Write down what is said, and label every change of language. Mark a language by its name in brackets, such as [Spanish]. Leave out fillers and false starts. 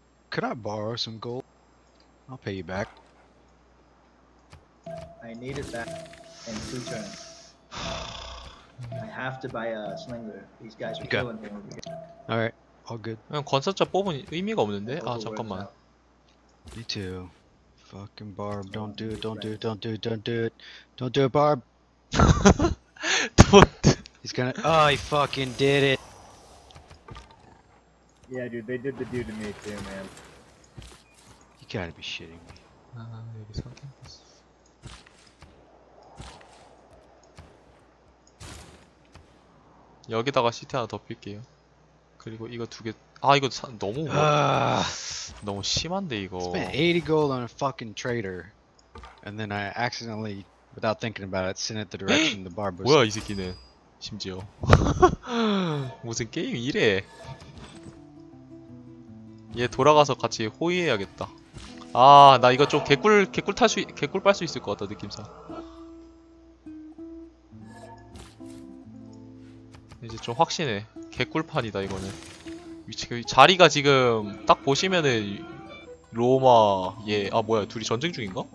[English] Could I borrow some gold? I'll pay you back. I need it back in 2 turns. I have to buy a slinger. These guys are killing me over here. Alright, all good. [Korean] 그냥 관찰자 뽑은 의미가 없는데? 아, 잠깐만. [English] Me too. Fucking Barb, don't do it, don't do it, don't do it, don't do it. Don't do it, Barb! Don't do it. He's gonna- Oh, he fucking did it! Yeah, dude, they did the dude to me too, man. You gotta be shitting me. Maybe something else. Is... [Korean] 여기다가 시트 하나 더 빌게요. 그리고 이거 두 개- 아, 이거 사, 너무- 너무 심한데, 이거. [English] Spent 80 gold on a fucking traitor. And then I accidentally, without thinking about it, sent it the direction the barb was- [Korean] 뭐야, 이 새끼는. 심지어 무슨 게임 이래. 얘 돌아가서 같이 호의해야겠다. 아 나 이거 좀 개꿀 빨 수 있을 것 같다 느낌상. 이제 좀 확신해. 개꿀판이다 이거는. 위치 자리가 지금 딱 보시면은 로마 얘 아 뭐야 둘이 전쟁 중인가?